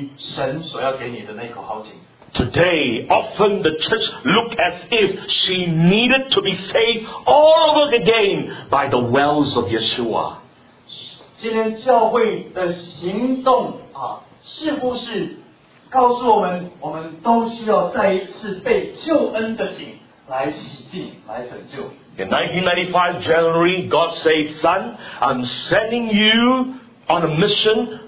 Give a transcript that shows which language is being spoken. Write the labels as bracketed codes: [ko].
[zh] 如果你是行在公义的里面，你是饮于神所要给你的那口好井。 [en] Today, often the church looks as if she needed to be saved all over again by the wells of Yeshua. [zh] 今天教会的行动， 是不是告诉我们，我们都需要再一次被救恩的井来洗净，来拯救？ [en] In 1995 January, God says, "Son, I'm sending you on a mission.